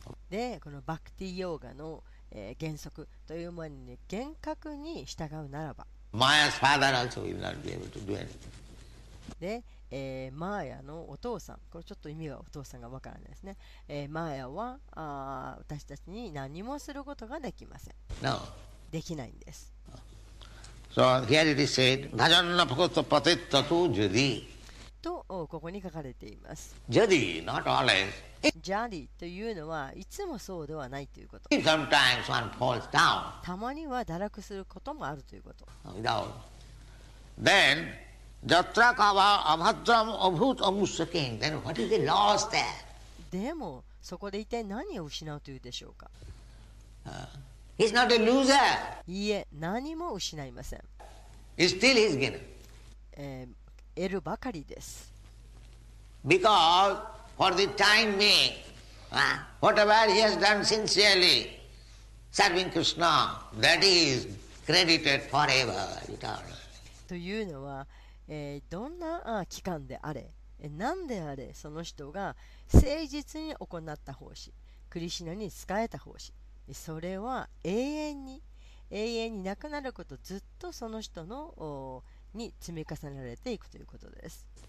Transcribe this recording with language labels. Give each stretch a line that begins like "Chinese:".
Japanese: で、このバクティヨーガの原則というものに厳格に従うならば、
English: Maya's father also will not be able to do anything.
Japanese: で、マーヤのお父さん、これちょっと意味がお父さんがわからないですね。マーヤは私たちに何もすることができません。
English: No.
Japanese: できないんです。
English: So here it is said,
Sanskrit: Bhajanna Pakkhuta Patitta to Jadi.
Japanese: とここに書かれています。
English: Jadi, not always.
Japanese: ジャリというのはいつもそうではないということ。
English: Sometimes one falls down.
Japanese: たまには堕落することもあるということ。
English: Without. Then,
Sanskrit: jatra kava abhadram abhut amushakin.
English: Then what is the loss there?
Japanese: でもそこで一体何を失うというでしょうか。
English: He's not a loser.
Japanese: いいえ、何も失いません。
English: He's still his gain.
Japanese: 得るばかりです。
English: Because. For the time being, whatever he has done sincerely, serving Krishna, that is credited forever, eternal.
Japanese: というのは、どんな期間であれ、何であれ、その人が誠実に行った奉仕、クリシナに仕えた奉仕、それは永遠になくなること、ずっとその人のに積み重ねられていくということです。